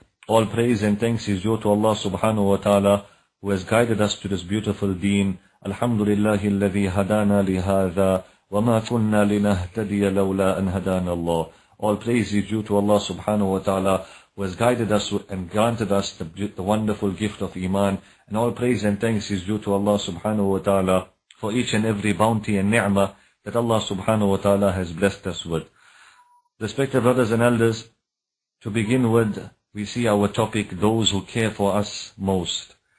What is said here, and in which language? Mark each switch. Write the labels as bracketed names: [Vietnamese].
[English] All praise and thanks is due to Allah subhanahu wa ta'ala, who has guided us to this beautiful deen. [Arabic] الحمد لله الذي هدانا لهذا وما كنا لنهتدي لولا أن هدانا الله. [English] All praise is due to Allah subhanahu wa ta'ala, who has guided us and granted us the wonderful gift of iman. And all praise and thanks is due to Allah subhanahu wa ta'ala for each and every bounty and ni'mah that Allah subhanahu wa ta'ala has blessed us with. Respected brothers and elders, to begin with, we see our topic, those who care for us most.